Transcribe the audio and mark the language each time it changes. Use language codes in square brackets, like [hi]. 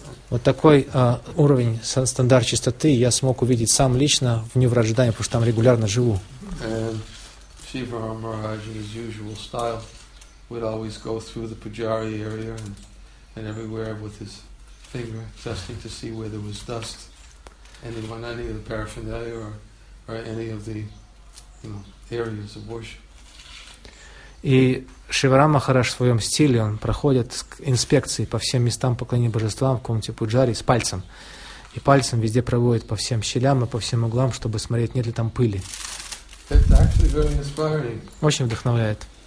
[ru] Вот такой уровень стандарт чистоты я смог увидеть сам лично в New Rajadhan, потому что там регулярно живу. [en] And Shivar Maharaj, in his usual style, would always go through the pujari area and everywhere with his finger, testing to see where there was dust. And he went any of the paraphernalia or or any of the, you know, areas of worship. [ru] И Шиварама Махарадж в своем стиле, он проходит инспекции по всем местам поклонения божествам в комнате Пуджари с пальцем. И пальцем везде проводит по всем щелям и по всем углам, чтобы смотреть, нет ли там пыли. [en] It's actually very inspiring. [ru] Очень вдохновляет.